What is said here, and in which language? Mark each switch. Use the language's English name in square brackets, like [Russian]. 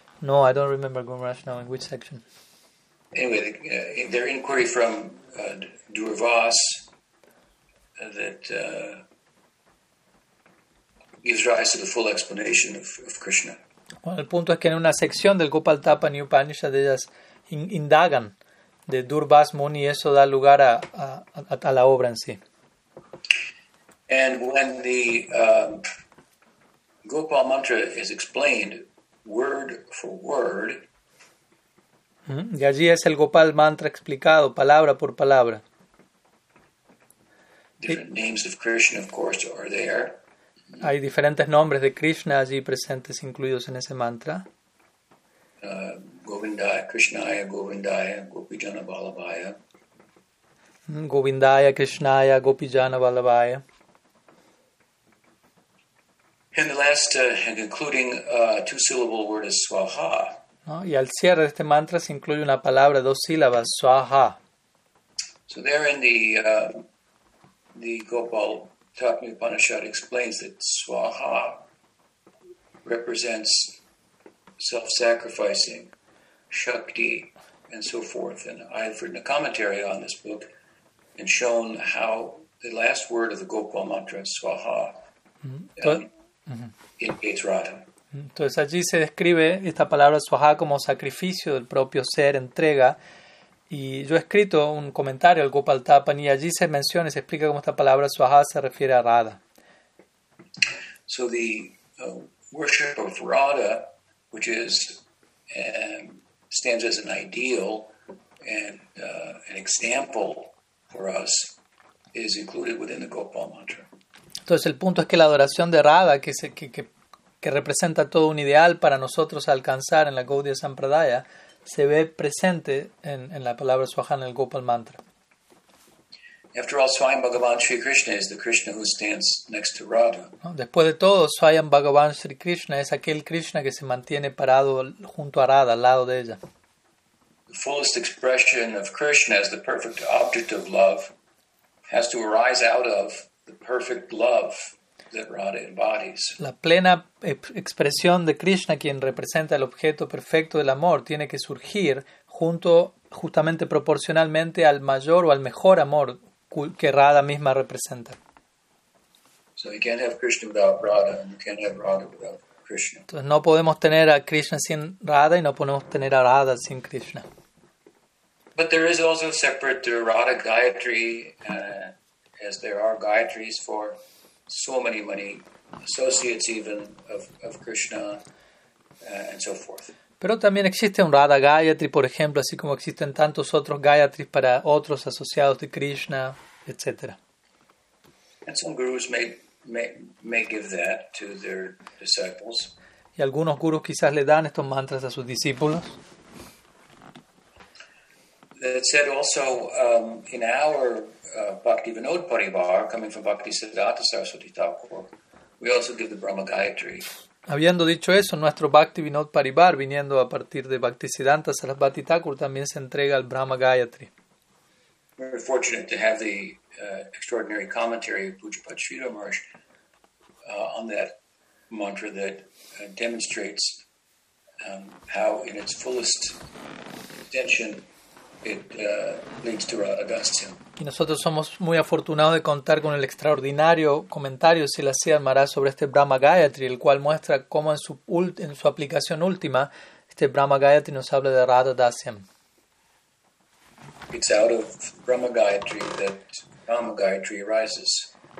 [English] No, I don't remember Gomarash now, in which section? Anyway, their inquiry from Durvas that gives rise to the full explanation of Krishna. [Spanish] Bueno, el punto es que en una sección del Gopal Tapani Upanishad ellas indagan de Durvas Muni, y eso da lugar a la obra en sí. [English] And when the Gopal mantra is explained word for word, [Spanish] y allí es el Gopal mantra explicado palabra por palabra. [English] Different names of Krishna, of course, are there. [Spanish] Hay diferentes nombres de Krishna allí presentes, incluidos en ese mantra. [Sanskrit] Govindaya, Krishnaya, Govindaya, Gopijana Balabhaya. Govindaya, Krishnaya, Gopijana Balabhaya. [English] And the last and concluding two-syllable word is Swaha. [Spanish] ¿No? Y al cierre de este mantra se incluye una palabra, dos sílabas, Swaha. [English] So there in the Gopal Tatmi Upanishad explains that Swaha represents self-sacrificing, Shakti, and so forth. And I've written a commentary on this book and shown how the last word of the Gopal mantra, Swaha, indicates Radha. [Spanish] Entonces allí se describe esta palabra Swaha como sacrificio del propio ser, entrega. Y yo he escrito un comentario al Gopal Tapan y allí se menciona, se explica cómo esta palabra Swaha se refiere a Radha. [English] So the worship of Radha, which is stands as an ideal and an example for us, is included within the Gopal mantra. [Spanish] Entonces el punto es que la adoración de Radha, que representa todo un ideal para nosotros alcanzar en la Gaudiya Sampradaya, se ve presente en la palabra Swaha en el Gopal Mantra. [English] After all, Swayam Bhagavan Sri Krishna is the Krishna who stands next to Radha. [Spanish] ¿No? Después de todo, Swayam Bhagavan Sri Krishna es aquel Krishna que se mantiene parado junto a Radha, al lado de ella. [English] The fullest expression of Krishna as the perfect object of love has to arise out of the perfect love that Radha embodies. [Spanish] La plena expresión de Krishna, quien representa el objeto perfecto del amor, tiene que surgir junto, justamente proporcionalmente, al mayor o al mejor amor que Radha misma representa. [English] So you can't have Krishna without Radha, and you can't have Radha without Krishna. [Spanish] Entonces no podemos tener a Krishna sin Radha y no podemos tener a Radha sin Krishna. [English] But there is also separate the Radha Gayatri, as there are Gayatris for so many associates even of Krishna and so forth. [Spanish] Pero también existe un Radha Gayatri, por ejemplo, así como existen tantos otros Gayatris para otros asociados de Krishna, etc. [English] And some gurus may give that to their disciples. [Spanish] Y algunos gurus quizás le dan estos mantras a sus discípulos. [English] That said, also in our Bhakti Vinod Paribar, coming from Bhakti Siddhanta Saraswati Thakur, we also give the Brahma Gayatri. [Spanish] Habiendo dicho eso, nuestro Bhakti Vinod Paribar, viniendo a partir de Bhakti Siddhanta Saraswati Thakur, también se entrega al Brahma Gayatri. [English] We're very fortunate to have the extraordinary commentary of Pujapad Sridhar Maharaj on that mantra that demonstrates how, in its fullest extension, it leads to Radha Dasya. [Spanish] Y nosotros somos muy afortunados de contar con el extraordinario comentario de Srila Sridhar Maharaj sobre este Brahma Gayatri, el cual muestra cómo en su aplicación última, este Brahma Gayatri nos habla de Radha Dasyam. [English] It's out of Brahma Gayatri that Kama Gayatri arises.